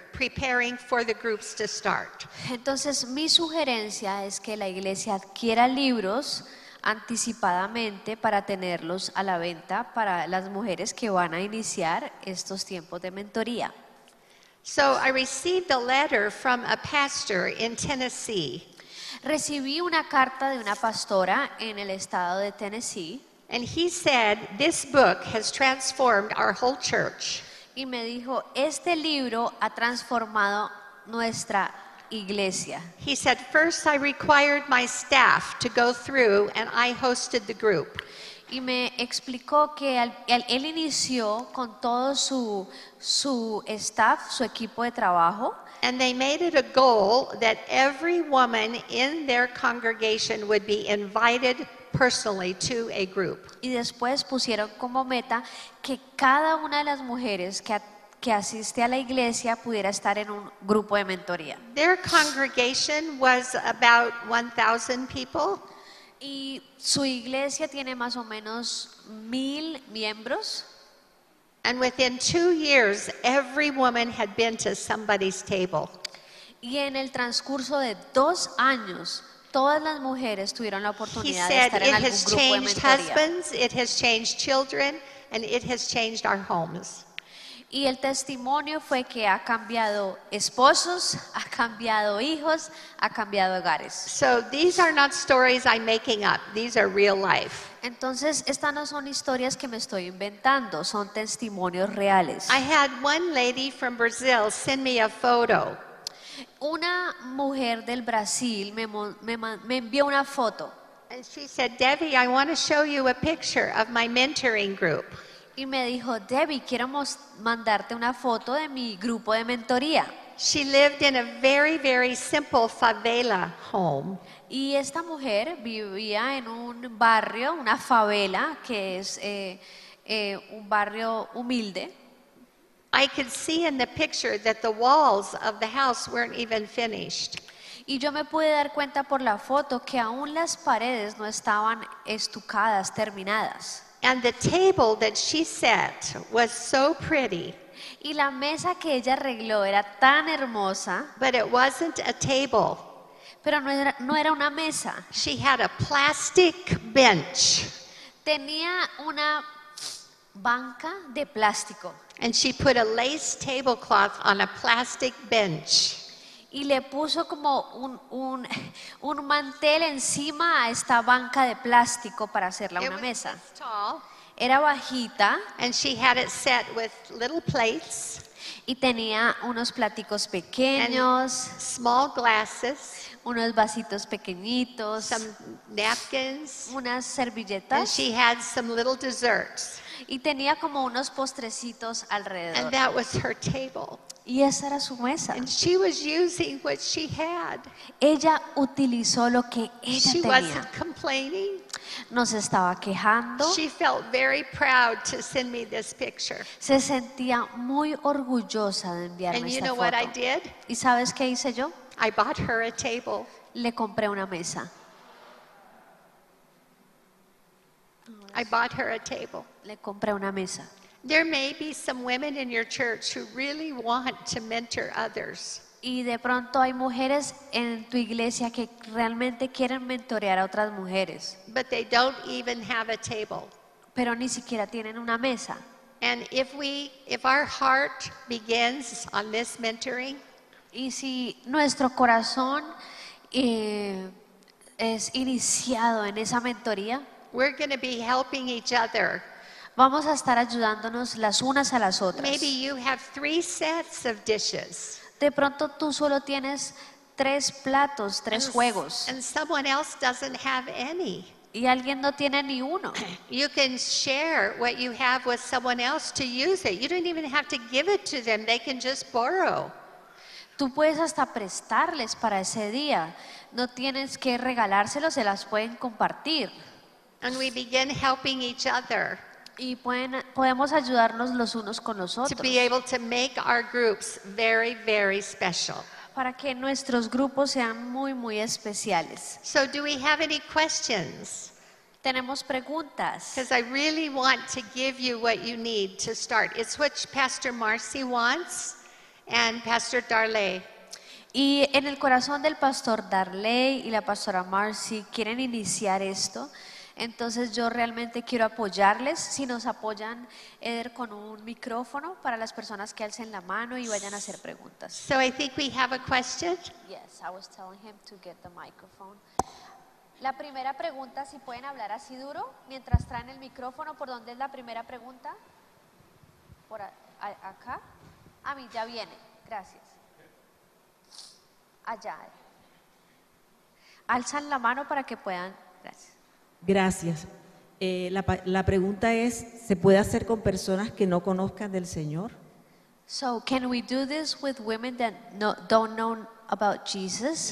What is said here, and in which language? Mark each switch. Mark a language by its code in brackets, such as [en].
[en] Preparing for the groups to start. [es] Entonces, mi sugerencia es que la iglesia adquiera libros anticipadamente para tenerlos a la venta para las mujeres que van a iniciar estos tiempos de mentoría. [en] So, I received a letter from a pastor in Tennessee. [es] Recibí una carta de una pastora en el estado de Tennessee. [en] And he said, "This book has transformed our whole church." [es] Y me dijo, este libro ha transformado nuestra iglesia. [en] He said, first I required my staff to go through and I hosted the group. [es] Y me explicó que él inició con todo su staff, su equipo de trabajo. [en] And they made it a goal that every woman in their congregation would be invited personally to a group. [es] Y después pusieron como meta que cada una de las mujeres que asiste a la iglesia pudiera estar en un grupo de mentoría. [en] Their congregation was about 1,000 people. [es] Y su iglesia tiene más o menos 1,000 miembros. [en] And within 2 years, every woman had been to somebody's table. [es] Y en el transcurso de 2 años, todas las mujeres tuvieron la oportunidad de estar en algún grupo de mentoría. [en] He said it has changed husbands, it has changed children, and it has changed our homes. [es] Y el testimonio fue que ha cambiado esposos, ha cambiado hijos, ha cambiado hogares. [en] So these are not stories I'm making up. These are real life. [es] Entonces, estas no son historias que me estoy inventando, son testimonios reales. [en] I had one lady from Brazil send me a photo. [es] Una mujer del Brasil me envió una foto. [en] And she said, "Debbie, I want to show you a picture of my mentoring group." [es] Y me dijo, "Debbie, quiero mandarte una foto de mi grupo de mentoría." [en] She lived in a very, very simple favela home. [es] Y esta mujer vivía en un barrio, una favela, que es un barrio humilde. [en] I could see in the picture that the walls of the house weren't even finished. [es] Y yo me pude dar cuenta por la foto que aún las paredes no estaban estucadas, terminadas. [en] And the table that she set was so pretty. [es] Y la mesa que ella arregló era tan hermosa. [en] But it wasn't a table. [es] Pero no era una mesa. [en] She had a plastic bench. [es] tenía una banca de plástico. [en] And she put a lace tablecloth on a plastic bench. [es] Y le puso como un mantel encima a esta banca de plástico para hacerla una mesa. Era bajita. [en] And she had it set with little plates. [es] Y tenía unos platicos pequeños, [en] small glasses, [es] unos vasitos pequeñitos, [en] some napkins, [es] unas servilletas, [en] and she had some little desserts. [es] Y tenía como unos postrecitos alrededor. [en] And that was her table. [es] Y esa era su mesa. [en] And she was using what she had. [es] Ella utilizó lo que ella [en] she [es] tenía. [en] Wasn't complaining. [es] No se estaba quejando. [en] She felt very proud to send me this picture. [es] Se sentía muy orgullosa de enviarme [en] and [es] esta [en] you know [es] foto. [en] What I did? [es] ¿Y sabes qué hice yo? [en] I bought her a table. [es] Le compré una mesa. [en] I bought her a table. [es] Le compré una mesa. [en] There may be some women in your church who really want to mentor others. [es] Y de pronto hay mujeres en tu iglesia que realmente quieren mentorear a otras mujeres. [en] But they don't even have a table. [es] Pero ni siquiera tienen una mesa. [en] And if our heart begins on this mentoring, [es] y si nuestro corazón es iniciado en esa mentoría, [en] we're going to be helping each other. [es] Vamos a estar ayudándonos las unas a las otras. [en] Maybe you have three sets of dishes. [es] De pronto tú solo tienes tres platos, tres juegos. [en] And someone else doesn't have any. [es] Y alguien no tiene ni uno. [en] You can share what you have with someone else to use it. You don't even have to give it to them. They can just borrow. [es] Tú puedes hasta prestarles para ese día. No tienes que regalárselos, se las pueden compartir. [en] And we begin helping each other. [es] Y podemos ayudarnos los unos con los otros. [en] To be able to make our groups very, very special. [es] Para que nuestros grupos sean muy, muy especiales. [en] So do we have any questions? [es] Tenemos preguntas. [en] Because I really want to give you what you need to start. It's what Pastor Marcy wants and Pastor Darley. [es] Y en el corazón del Pastor Darley y la Pastora Marcy quieren iniciar esto. Entonces yo realmente quiero apoyarles. Si nos apoyan, Eder, con un micrófono para las personas que alcen la mano y vayan a hacer preguntas. [en] So I think we have a question. Yes, I was telling him to get the microphone. [es] La primera pregunta, si pueden hablar así duro mientras traen el micrófono, ¿por dónde es la primera pregunta? Por acá. A mí ya viene. Gracias. Allá. Alzan la mano para que puedan. Gracias. Gracias. La pregunta es, ¿se puede hacer con personas que no conozcan del Señor? [en] So, can we do this with women that don't know about Jesus?